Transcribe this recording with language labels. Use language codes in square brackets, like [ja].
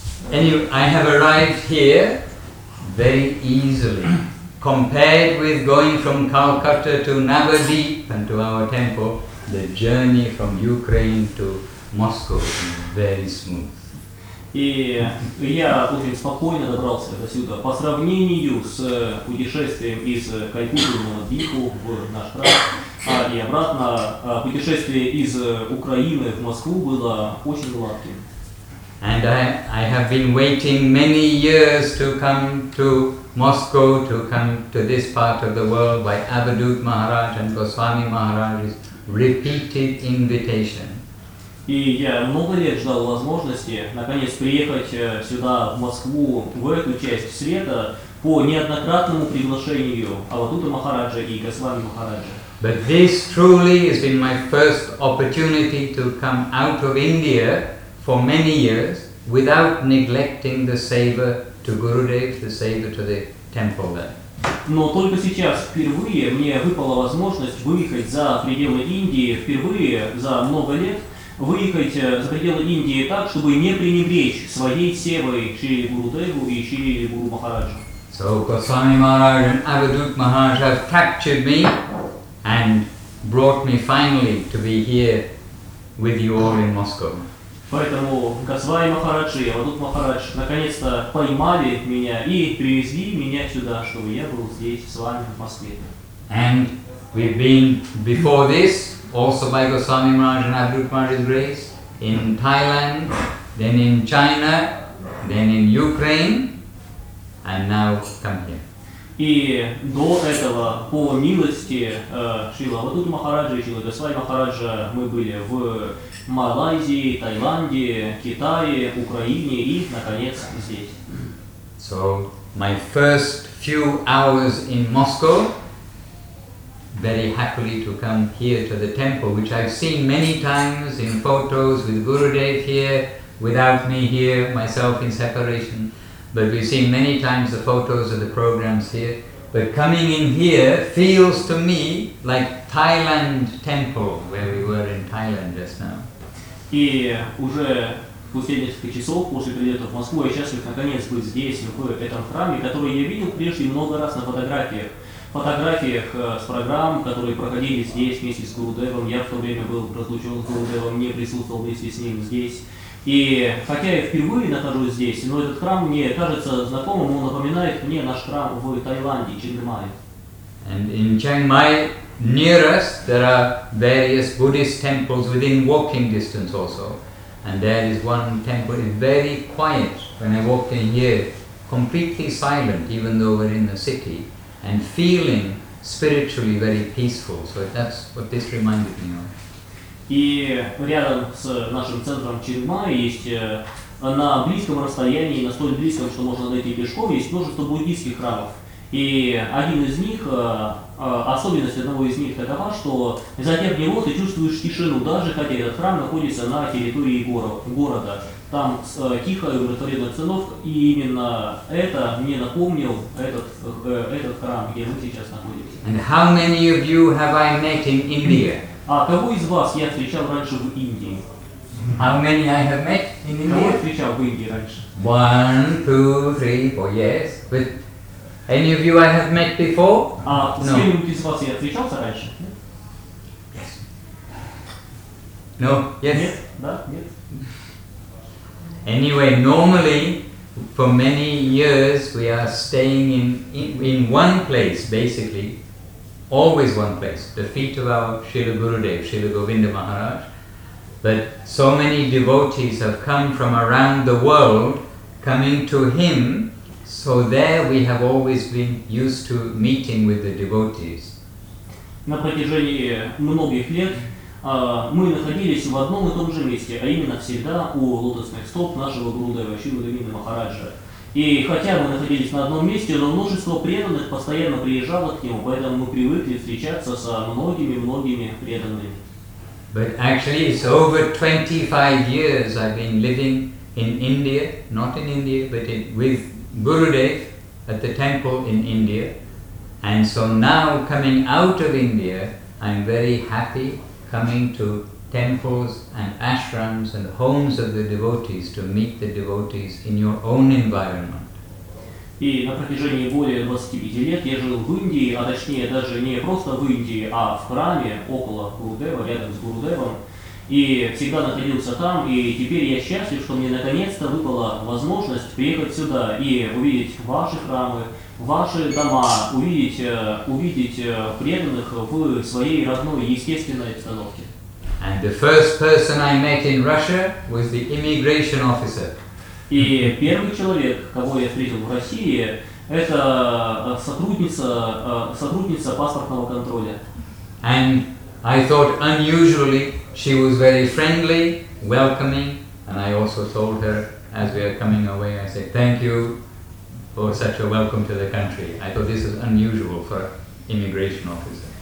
[en] Anyway, I have arrived here very easily, compared with going from Calcutta to Navadvip and to our temple, the journey from Ukraine to Moscow is very smooth. [ru] И я очень спокойно добрался до сюда. По сравнению с путешествием из Калькутты на Дипу в наш храм и обратно, путешествие из Украины в Москву было очень гладким. [en] And I have been waiting many years to come to Moscow, to come to this part of the world by Avadhut Maharaj and Goswami Maharaj's repeated invitation. [ru] И я много лет ждал возможности наконец приехать сюда, в Москву, в эту часть света, по неоднократному приглашению Авадута Махараджа и Госвами Махараджа. [en] But this truly has been my first opportunity to come out of India for many years, without neglecting the seva to Gurudev, the seva to the temple there. [ru] Но только сейчас впервые мне выпала возможность выехать за пределы Индии, впервые за много лет выехать за пределы Индии так, чтобы не пренебречь своей севой Шри Гурудеву и Шри Гуру Махараджу. [en] So Goswami Maharaj and Avadhut Maharaj have captured me and brought me finally to be here with you all in Moscow. [ru] Поэтому Госвами Махарадж и Авадут Махарадж наконец-то поймали меня и привезли меня сюда, чтобы я был здесь с вами в Москве. [en] And we've been before this, also by Goswami Maharaj and Avadut Maharaj's grace, in Thailand, then in China, then in Ukraine, and now come here. [ru] И до этого, по милости Шрила Авадут Махараджа и Шрила Госвами Махараджа, мы были в Малайзии, Таиланде, Китае, Украине и, наконец, здесь. [en] So, my first few hours in Moscow, very happily to come here to the temple, which I've seen many times in photos with Gurudev here, without me here, myself in separation. But we've seen many times the photos of the programs here. But coming in here feels to me like Thailand temple, where we were in Thailand just now. [ru] И уже после нескольких часов, после прилета в Москву, я счастлив наконец быть здесь, в этом храме, который я видел прежде много раз на фотографиях. Фотографиях с программ, которые проходили здесь вместе с Гурудевом. Я в то время был разлучен с Гурудевом, не присутствовал вместе с ним здесь. И хотя я впервые нахожусь здесь, но этот храм мне кажется знакомым, он напоминает мне наш храм в Таиланде, Чианг Май. [en] And in Chiang Mai, near us, there are various Buddhist temples within walking distance also. And there is one temple, it's very quiet. When I walked in here, completely silent, even though we're in the city, and feeling spiritually very peaceful, so that's what this reminded me of. [ru] И рядом с нашим центром Чингмай есть на близком расстоянии, настолько близком, что можно дойти пешком, есть множество буддийских храмов. И один из них, особенность одного из них такова, что зайдя в него, ты чувствуешь тишину, даже хотя этот храм находится на территории города. Там тихо и умиротворенно обстановка, и именно это мне напомнил этот храм, где мы сейчас находимся. [en] And how many of you have I met in India? [ru] А кого из вас я встречал раньше в Индии? [en] How many I have met in India? [ru] Кого я встречал в Индии раньше? [en] One, two, three, four, yes. But any of you I have met before? [ru] А [en] no. [ru] С кем-нибудь из вас я встречался раньше? [en] Yes. No? Yes? [ru] Нет? Да? Нет? [en] Anyway, normally, for many years, we are staying in one place, basically, always one place, the feet of our Srila Gurudev, Srila Govinda Maharaj. But so many devotees have come from around the world, coming to him, so there we have always been used to meeting with the devotees. [ru] На протяжении многих лет мы находились в одном и том же месте, а именно всегда у лотосных стоп нашего Гурудева, Шрилы Говинды Махараджа. И хотя мы находились на одном месте, но множество преданных постоянно приезжало к нему, поэтому мы привыкли встречаться со многими-многими преданными. [en] But actually it's over 25 years I've been living in India, not in India, but with Gurudev at the temple in India. And so now coming out of India, I'm very happy coming to temples and ashrams and homes of the devotees to meet the devotees in your own environment. [ru] И на протяжении более 25 лет я жил в Индии, а точнее даже не просто в Индии, а в храме около Гурудева, рядом с Гурудевом, и всегда находился там, и теперь я счастлив, что мне наконец-то выпала возможность приехать сюда и увидеть ваши храмы, ваши дома, увидеть преданных в своей родной естественной обстановке. [en] And the first person I met in Russia was the immigration officer. [ru] И первый человек, кого я встретил в России, это сотрудница паспортного контроля. [en] And I thought unusually she was very friendly, welcoming, and I also told her as we are coming away, I said thank you for such a welcome to the country. I thought this is unusual for an immigration officer.